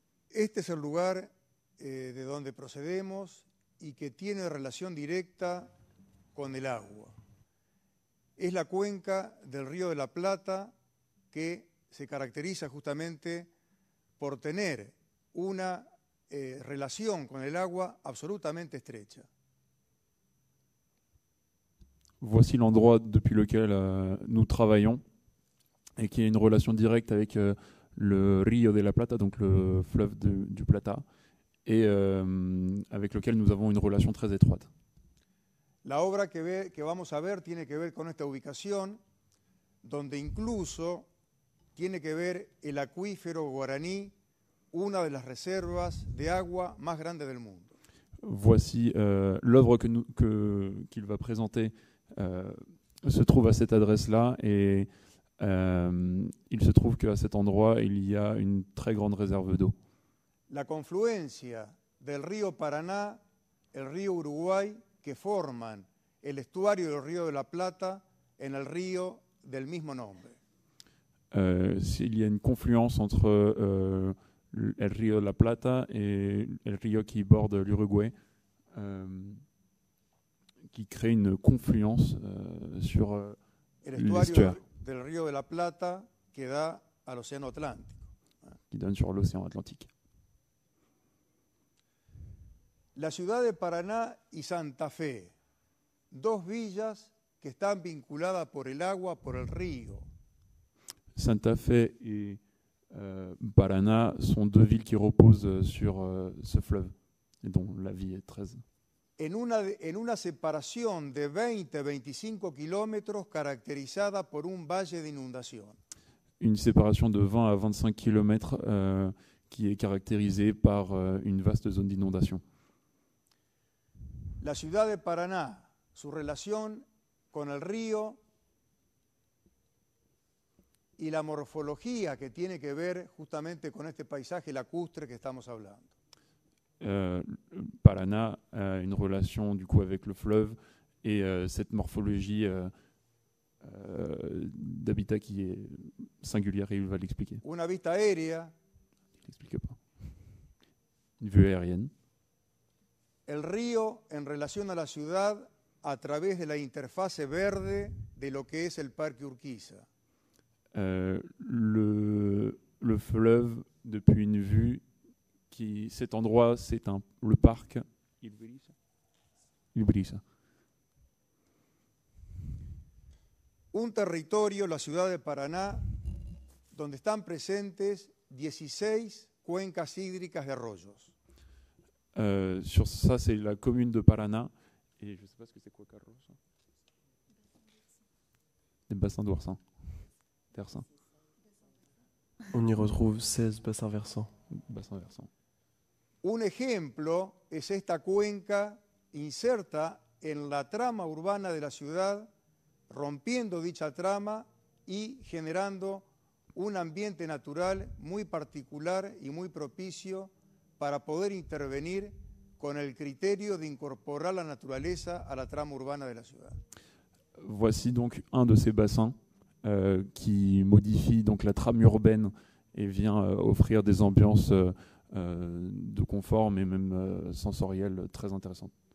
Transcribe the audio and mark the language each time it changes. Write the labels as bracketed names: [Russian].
[Spanish] Este es el lugar de donde procedemos y que tiene relación directa con el agua. Es la cuenca del Río de la Plata que se caracteriza justamente por tener una relación con el agua absolutamente estrecha. [French] Voici l'endroit depuis lequel nous travaillons et qui a une relation directe avec le Rio de la Plata, donc le fleuve du Plata, et avec lequel nous avons une relation très étroite. [Spanish] La obra que vamos a ver tiene que ver con esta ubicación, donde incluso tiene que ver el acuífero guaraní, una de las reservas de agua más grande del mundo. [French] Voici l'œuvre qu'il va présenter se trouve à cette adresse-là et il se trouve qu'à cet endroit, il y a une très grande réserve d'eau. [Spanish] La confluencia del río Paraná, el río Uruguay, que forman el estuario del río de la Plata en el río del mismo nombre. [French] S'il y a une confluence entre el río de la Plata et el río qui borde l'Uruguay, qui crée une confluence sur l'estuaire. [Spanish] Del río de la Plata que da al océano Atlántico. [French] Qui donne sur l'océan Atlantique. [Spanish] La ciudad de Paraná y Santa Fe, dos villas que están vinculadas por el agua, por el río. Santa Fe y Paraná son dos villas que reposan sobre [French] ce fleuve, et dont la vie est très. [Spanish] En una separación de 20-25 kilómetros caracterizada por un valle de inundación. [French] Une séparation de 20 à 25 kilomètres qui est caractérisée par une vaste zone d'inondation. [Spanish] La ciudad de Paraná, su relación con el río y la morfología que tiene que ver justamente con este paisaje lacustre que estamos hablando. [French] Paraná a une relation du coup avec le fleuve et cette morphologie d'habitat qui est singulière et il va l'expliquer. [Spanish] Una vista aérea. [French] Il l'explique pas. Une vue aérienne. [Spanish] El río en relación a la ciudad a través de la interfase verde de lo que es el parque Urquiza. [French] Le fleuve depuis une vue. Cet endroit, c'est le parc Ibriza. [Spanish] Un territorio, la ciudad de Paraná, donde están presentes 16 cuencas hídricas de arroyos. [French] Sur ça, c'est la commune de Paraná. Et je ne sais pas ce que c'est quoi, Carlos. Des bassins d'oursins. Versins. On y retrouve 16 bassins versants. Bassins versants. [Spanish] Un ejemplo es esta cuenca inserta en la trama urbana de la ciudad, rompiendo dicha trama y generando un ambiente natural muy particular y muy propicio para poder intervenir con el criterio de incorporar la naturaleza a la trama urbana de la ciudad. [French] Voici donc un de ces bassins qui modifie donc la trame urbaine et vient offrir des ambiances de confort mais même sensoriel très intéressant.